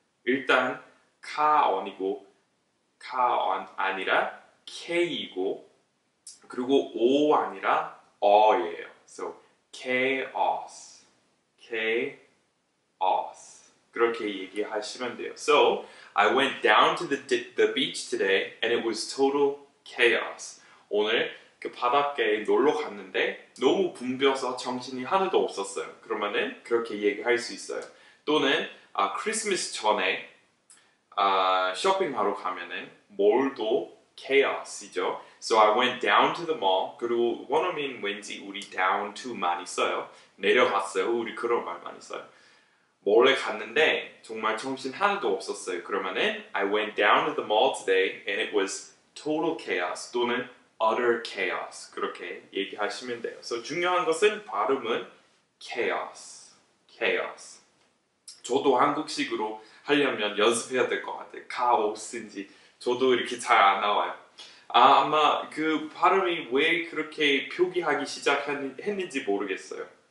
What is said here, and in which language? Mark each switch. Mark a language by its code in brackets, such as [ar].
[ko] 일단, 카 아니고, 카 아니라 K이고, 그리고 오 아니라 어예요. [en] So chaos, chaos. [ko] 그렇게 얘기하시면 돼요. [en] So I went down to the beach today, and it was total chaos. [ko] 오늘 그 바닷가에 놀러 갔는데 너무 붐벼서 정신이 하나도 없었어요. 그러면은 그렇게 얘기할 수 있어요. 또는 크리스마스 전에 쇼핑하러 가면은 몰도 chaos이죠. [en] So I went down to the mall. [ko] 그리고 원어민 왠지 우리 [en] down to [ko] 많이 써요. 내려갔어요. 우리 그런 말 많이 써요. 몰에 갔는데 정말 정신 하나도 없었어요. 그러면은 [en] I went down to the mall today and it was total chaos [ko] 또는 [en] utter chaos. [ko] 그렇게 얘기하시면 돼요. So 중요한 것은 발음은 chaos. chaos. 저도 한국식으로 하려면 연습해야 될것 같아요. 카오스인지 저도 이렇게 잘안 나와요. 아마 그 발음이 왜 그렇게 표기하기 했는지 모르겠어요.